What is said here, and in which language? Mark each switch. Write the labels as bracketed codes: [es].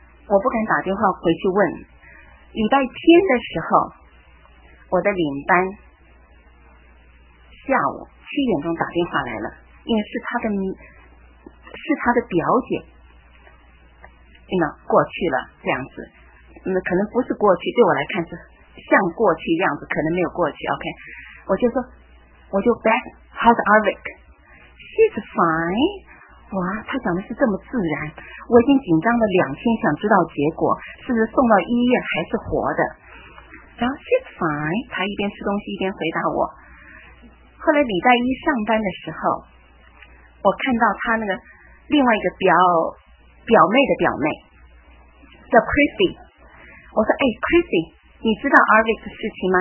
[zh] 我不敢打电话回去问。礼拜天的时候，我的领班下午7点钟打电话来了，因为是他的表姐，那过去了这样子，可能不是过去，对我来看是像过去的样子，可能没有过去。 [en] OK, [zh] 我就 [en] back, how's Arvik? She's fine. [zh] 哇，他讲的是这么自然，我已经紧张了2天，想知道结果是不是送到医院还是活的。然后 [en] she's fine, [zh] 他一边吃东西一边回答我。后来礼拜一上班的时候，我看到他那个另外一个表妹的表妹叫 Chrissy, 我说，哎 ，Chrissy,你知道 Arvik 的事情吗？